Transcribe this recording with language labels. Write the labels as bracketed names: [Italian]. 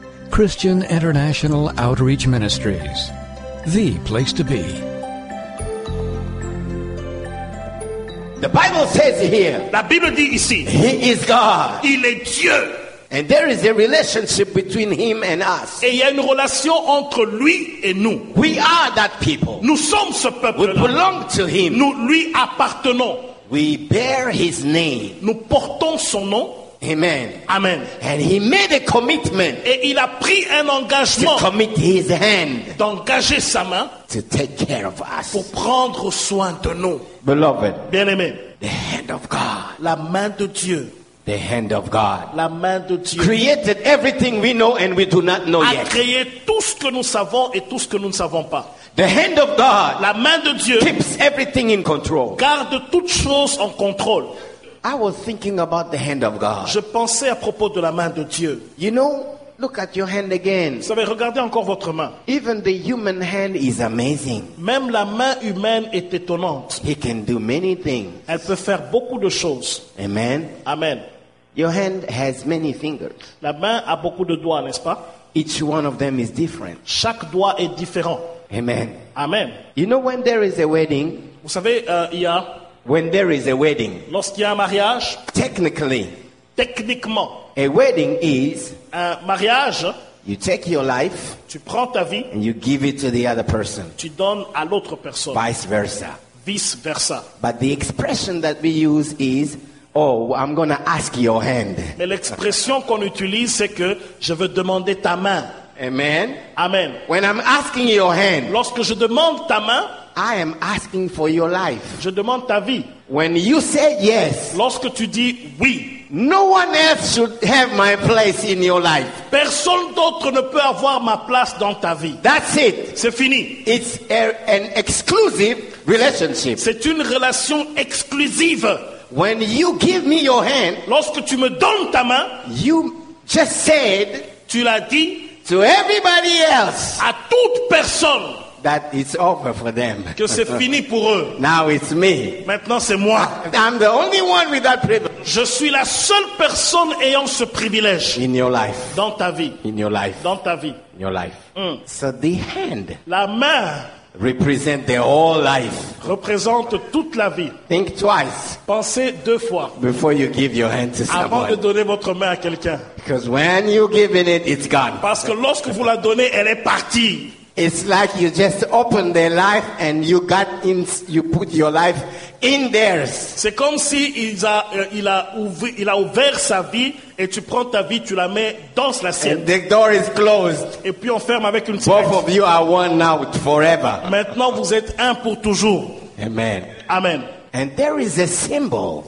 [English] Christian International Outreach Ministries, the place to be. The Bible says here. [French] La Bible dit ici. [English] He is God. [French] Il est Dieu. [English] And there is a relationship between Him and us. [French] Et il y a une relation entre lui et nous. [English] We are that people. [French] Nous sommes ce peuple. [English] We belong to Him. [French] Nous lui appartenons. [English] We bear His name. [French] Nous portons son nom. [English] Amen. [French] Amen. [English] And He made a commitment. [French] Et il a pris un engagement. [English] To commit His hand. [French] D'engager sa main. [English] To take care of us. [French] Pour prendre soin de nous. [English] Beloved. [French] Bien-aimé. [English] The hand of God. [French] La main de Dieu. [English] The hand of God. [French] La main de Dieu. [English] Created everything we know and we do not know a yet. [French] A créé tout ce que nous savons et tout ce que nous ne savons pas. [English] The hand of God. [French] La main de Dieu. [English] Keeps everything in control. [French] Garde toutes choses en contrôle. [English] I was thinking about the hand of God. [French] Je pensais à propos de la main de Dieu. [English] You know, look at your hand again. [French] Vous savez, regardez encore votre main. [English] Even the human hand is amazing. [French] Même la main humaine est étonnante. [English] He can do many things. [French] Elle peut faire beaucoup de choses. [English] Amen. [French] Amen. [English] Your hand has many fingers. [French] La main a beaucoup de doigts, n'est-ce pas? [English] Each one of them is different. [French] Chaque doigt est différent. [English] Amen. [French] Amen. [English] You know when there is a wedding? [French] Vous savez, il y a [English] when there is a wedding, [French] lorsqu'il y a un mariage, [English] technically, [French] techniquement, [English] a wedding is [French] un mariage. [English] You take your life, [French] tu prends ta vie, [English] and you give it to the other person. [French] Tu donnes à l'autre personne. [English] Vice versa. [French] Vice versa. [English] But the expression that we use is, "Oh, I'm going to ask your hand." [French] Mais l'expression qu'on utilise c'est que je veux demander ta main. [English] Amen. [French] Amen. [English] When I'm asking your hand, [French] lorsque je demande ta main. [English] I am asking for your life. [French] Je demande ta vie. [English] When you say yes, [French] lorsque tu dis oui, [English] No one else should have my place in your life. [French] Personne d'autre ne peut avoir ma place dans ta vie. [English] That's it. [French] C'est fini. [English] It's an exclusive relationship. [French] C'est une relation exclusive. [English] When you give me your hand, [French] lorsque tu me donnes ta main, [English] you just said, [French] tu l'as dit, [English] to everybody else, [French] à toute personne, [English] that it's over for them. [French] Que c'est fini pour eux. [English] Now it's me. [French] Maintenant c'est moi. [English] I'm the only one with that privilege. [French] Je suis la seule personne ayant ce privilège. [English] In your life. [French] Dans ta vie. [English] In your life. [French] Dans ta vie. [English] In your life. Mm. So the hand. [French] La main. [English] Represent the whole life. [French] Représente toute la vie. [English] Think twice. [French] Pensez deux fois. [English] Before you give your hand to [French] avant [English] someone. [French] Avant de donner votre main à quelqu'un. [English] Because when you give it, it's gone. [French] Parce que lorsque vous la donnez, elle est partie. [English] It's like you just open their life and you got in, you put your life in theirs. [French] C'est comme si il a ouvert sa vie et tu prends ta vie, tu la mets dans la sienne. [English] And the door is closed. [French] Et puis on ferme avec une [English] cigarette. Both of you are one now forever. [French] Maintenant vous êtes un pour toujours. [English] Amen. [French] Amen. [English] And there is a symbol.